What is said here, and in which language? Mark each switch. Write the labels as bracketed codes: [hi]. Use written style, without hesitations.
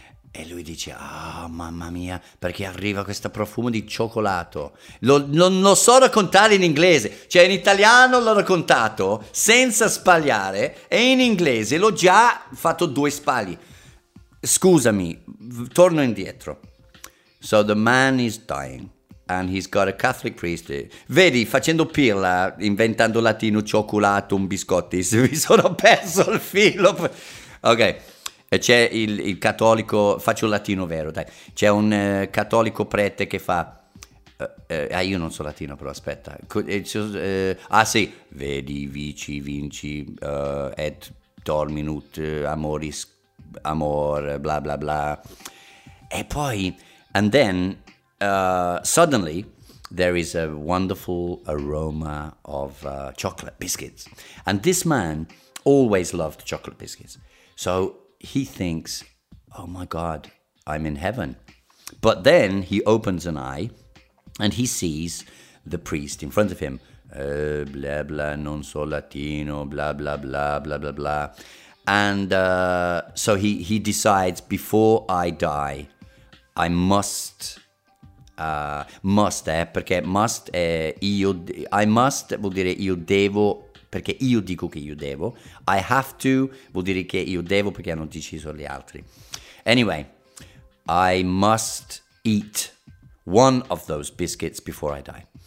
[it] E lui dice, oh, mamma mia, perché arriva questo profumo di cioccolato. Non lo so raccontare in inglese. Cioè, in italiano l'ho raccontato senza sbagliare e in inglese l'ho già fatto due sbagli. Scusami, torno indietro. [en] So the man is dying and he's got a Catholic priest. [it] Vedi, facendo pirla, inventando latino, cioccolato, un biscotti, mi sono perso il filo. Ok. E c'è il cattolico, faccio il latino vero, dai. C'è un cattolico prete che fa, io non so latino, però aspetta. [la] Sì, vedi vici vinci et dorminut amoris amor bla bla bla. [it] E poi, [en] and then, suddenly, there is a wonderful aroma of chocolate biscuits. And this man always loved chocolate biscuits. So he thinks, oh my God, I'm in heaven. But then he opens an eye and he sees the priest in front of him. Blah, blah, non so Latino, blah, blah, blah, blah, blah, blah. And so he decides, before I die, I must... [it] perché must è io, [en] I must [it] vuol dire io devo, perché io dico che io devo. [en] I have to [it] vuol dire che io devo, perché hanno deciso gli altri. [en] Anyway, I must eat one of those biscuits before I die.